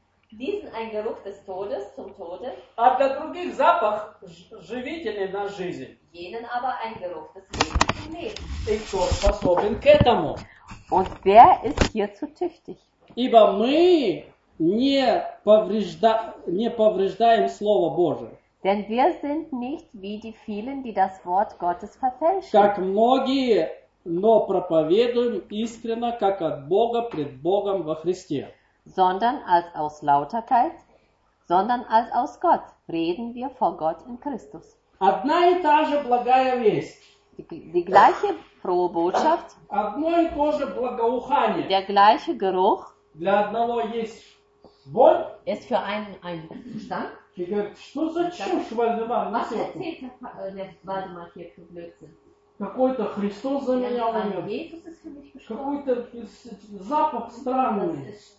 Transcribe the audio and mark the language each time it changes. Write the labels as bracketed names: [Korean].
[German] Diesen ein Geruch des Todes, zum Tode. [Russian] А для других запах живительный на жизнь. [German] Jenen aber ein Geruch des Lebens zum Leben. [Russian] И кто способен к этому? [German] Und wer ist hierzu tüchtig? [Russian] Ибо мы не повреждаем Слово Божие. [German] Denn wir sind nicht wie die vielen, die das Wort Gottes verfälschen. [Russian] Как многие, но проповедуем искренно, как от Бога пред Богом во Христе. [German] Sondern als aus Lauterkeit, sondern als aus Gott reden wir vor Gott in Christus. [Russian] Одна и та же благая весть. [German] Die gleiche frohe Botschaft. [Russian] Одно и то же благоухание. [German] Der gleiche Geruch. [Russian] Для одного есть боль. [German] Ist für einen ein Gestank. [Russian] И говорит, что за чушь, Вальдемар, на сердце? [German] Was erzählt Вальдемар hier für Blödsinn? [Russian] Какой-то Христос за меня умер. Какой-то запах странный.